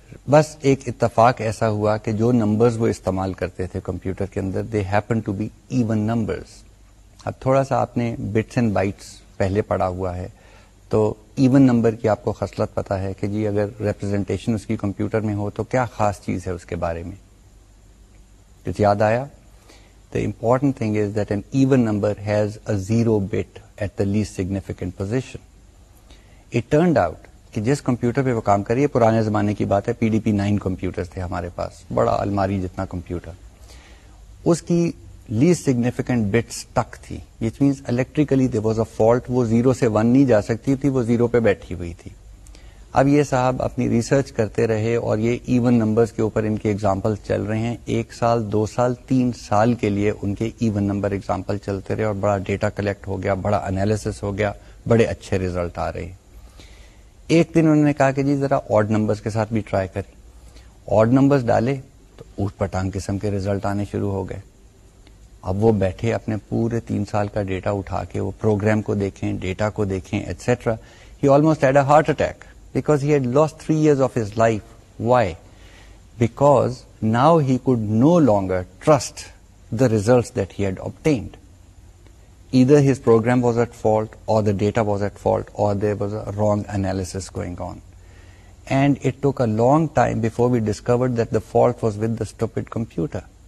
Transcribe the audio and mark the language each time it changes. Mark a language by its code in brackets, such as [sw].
[ur] بس ایک اتفاق ایسا ہوا کہ جو نمبرز وہ استعمال کرتے تھے کمپیوٹر کے اندر [en] They happen to be even numbers. [ur] اب تھوڑا سا آپ نے بٹس اینڈ بائٹس پہلے پڑا ہوا ہے تو ایون نمبر کی آپ کو خصلت پتا ہے کہ جی اگر ریپرزینٹیشن اس کی کمپیوٹر میں ہو تو کیا خاص چیز ہے اس کے بارے میں. کچھ یاد آیا؟ [en] The important thing is that an even number has a zero bit at the least significant position. It turned out [ur] کہ جس کمپیوٹر پہ وہ کام کر رہی ہے, پرانے زمانے کی بات ہے, پی ڈی پی 9 کمپیوٹر تھے ہمارے پاس, بڑا الماری جتنا کمپیوٹر, اس کی لیسٹ سگنیفیکینٹ بٹ سٹک تھی, [en] which means electrically there was a fault, [ur] وہ 0 سے 1 نہیں جا سکتی تھی, وہ 0 پہ بیٹھی ہوئی تھی. اب یہ صاحب اپنی ریسرچ کرتے رہے اور یہ ایون نمبرز کے اوپر ان کے ایگزامپل چل رہے ہیں, 1 سال, 2 سال, 3 سال کے لیے ان کے ایون نمبر ایگزامپل چلتے رہے اور بڑا ڈیٹا کلیکٹ ہو گیا, بڑا انالیسس ہو گیا, بڑے اچھے ریزلٹ آ رہے ہیں. ایک دن انہوں نے کہا کہ جی ذرا آڈ نمبرز کے ساتھ بھی ٹرائی کریں. آڈ نمبرز ڈالے تو اوٹ پٹانگ قسم کے ریزلٹ آنے شروع ہو گئے. اب وہ بیٹھے اپنے پورے 3 سال کا ڈیٹا اٹھا کے, وہ پروگرام کو دیکھیں, ڈیٹا کو دیکھیں, et cetera, [en] He almost had a heart attack because he had lost 3 years of his life. Why? Because now he could no longer trust the results that he had obtained. Either his program was at fault or the data was at fault or there was a wrong analysis going on. And it took a long time before we discovered that the fault was with the stupid computer.